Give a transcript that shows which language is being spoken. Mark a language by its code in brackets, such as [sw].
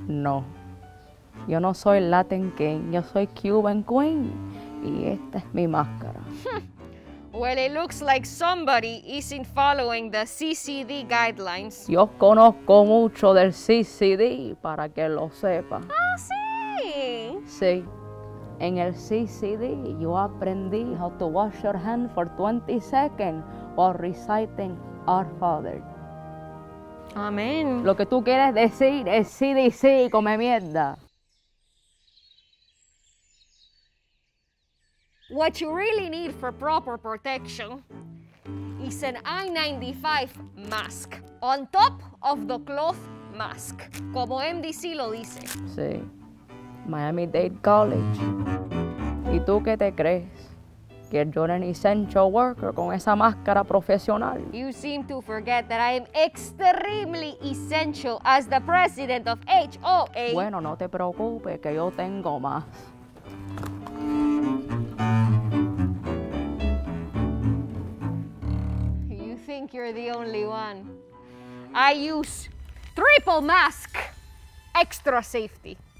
[es] No, yo no soy Latin King, yo soy Cuban Queen y esta es mi máscara. [en] Well, it looks like somebody isn't following the CCD guidelines. [es] Yo conozco mucho del CCD para que lo sepa. Ah, sí. Sí, en el CCD yo aprendí [en] how to wash your hand for 20 seconds while reciting Our Father. [es] Amén. Lo que tú quieres decir es sí, sí, come mierda. [en] What you really need for proper protection is an N95 mask on top of the cloth mask, [es] como MDC lo dice. Sí, Miami-Dade College. ¿Y tú qué te crees? Que yo era un [en] essential worker [es] con esa máscara profesional. [en] You seem to forget that I am extremely essential as the president of HOA. [es] Bueno, no te preocupes, que yo tengo más. [en] You think you're the only one. I use triple mask, extra safety.